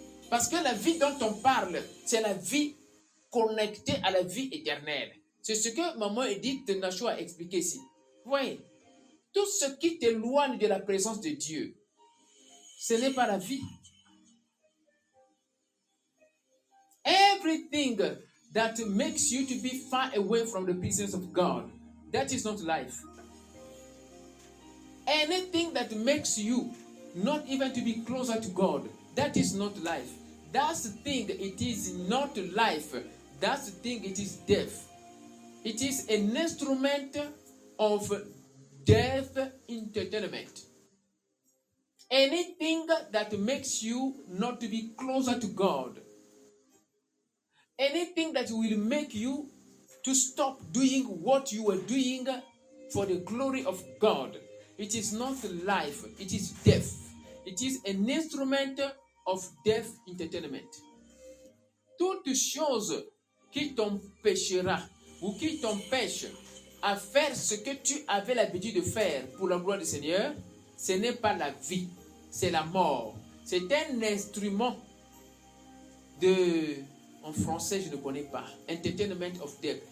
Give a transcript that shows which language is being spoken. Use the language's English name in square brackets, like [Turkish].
[French] Parce que la vie dont on parle, c'est la vie connectée à la vie éternelle. C'est ce que maman Edith Nacho a expliqué ici. Oui, tout ce qui t'éloigne de la présence de Dieu, ce n'est pas la vie. [English] Everything that makes you to be far away from the presence of God, that is not life. Anything that makes you not even to be closer to God, that is not life. That thing, it is not life. That thing, it is death. It is an instrument of death entertainment. Anything that makes you not to be closer to God, anything that will make you to stop doing what you are doing for the glory of God, it is not life, it is death. It is an instrument of death entertainment. [French] Toute chose qui t'empêchera ou qui t'empêche à faire ce que tu avais l'habitude de faire pour la gloire du Seigneur, ce n'est pas la vie, c'est la mort. C'est un instrument de, en français je ne connais pas, [English] entertainment of death.